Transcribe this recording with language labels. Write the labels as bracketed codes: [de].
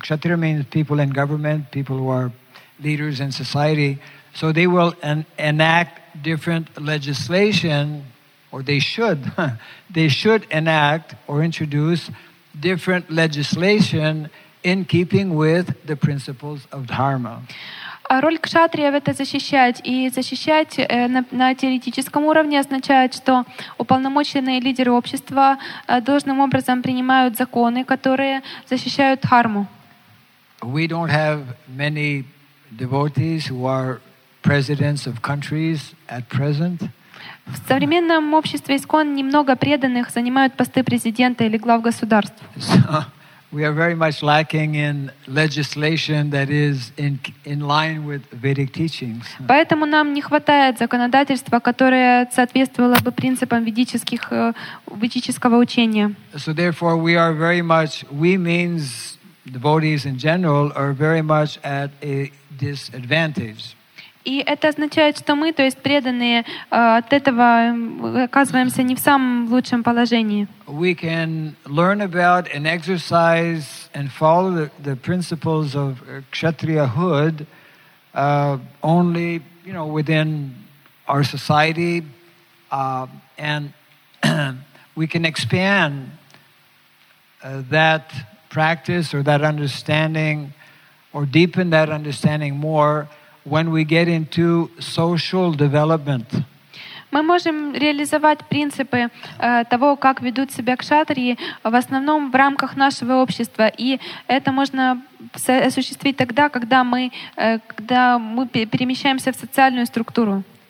[en] Kshatriya means people in government, people who are leaders in society. So they will enact different legislation, or they should enact or introduce different legislation in keeping with the principles of dharma. [ru] Роль кшатриев — это защищать. И защищать на теоретическом уровне означает, что уполномоченные лидеры общества должным образом принимают законы, которые защищают дхарму. [en] We don't have many devotees who are presidents of countries at present. [ru] В современном обществе ИСКОН немного преданных занимают посты президента или глав государств. [en] We are very much lacking in legislation that is in line with Vedic teachings. [ru] Поэтому нам не хватает законодательства, которое соответствовало бы принципам ведического учения. [en] So therefore we are very much, we means devotees in general, are very much at a disadvantage. [ru] И это означает, что мы, то есть преданные, от этого оказываемся не в самом лучшем положении. [en] We can learn about and exercise and follow the principles of kshatriyahood only, you know, within our society, and we can expand that practice or that understanding or deepen that understanding more when we get into social development. [ru] Мы можем реализовать принципы того, как ведут себя кшатрии, в основном в рамках нашего общества. И это можно осуществить тогда, когда мы перемещаемся в социальную структуру.